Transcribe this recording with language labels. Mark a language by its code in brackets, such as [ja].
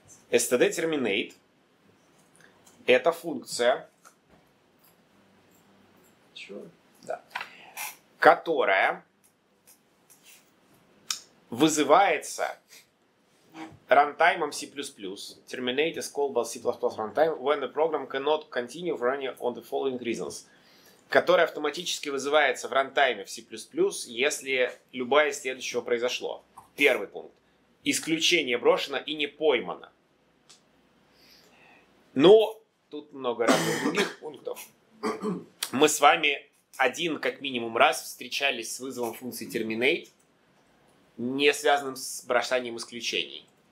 [ru] std terminate это функция, которая вызывается рантаймом C++. [en] Terminate is called by C++ runtime when the program cannot continue running on the following reasons. [ru] Которая автоматически вызывается в рантайме в C++, если любое из следующего произошло. Первый пункт. Исключение брошено и не поймано. Но тут много разных других пунктов. Мы с вами один как минимум раз встречались с вызовом функции terminate, не связанным с бросанием исключений.